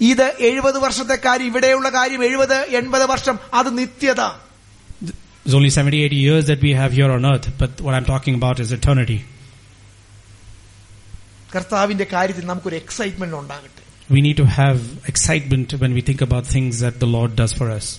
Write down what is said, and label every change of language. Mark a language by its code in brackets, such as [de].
[ml] ഇത് 70 വർഷത്തെ കാര്യം, ഇവിടെയുള്ള കാര്യം 70-80 വർഷം, അത് നിത്യത. [en] It's only 70-80 years that we have here on earth, but what I'm talking about is eternity. [ml] കർത്താവിന്റെ കാര്യത്തിൽ നമുക്കൊരു എക്സൈറ്റ്മെന്റ് ഉണ്ടാകട്ടെ. [en] We need to have excitement when we think about things that the Lord does for us.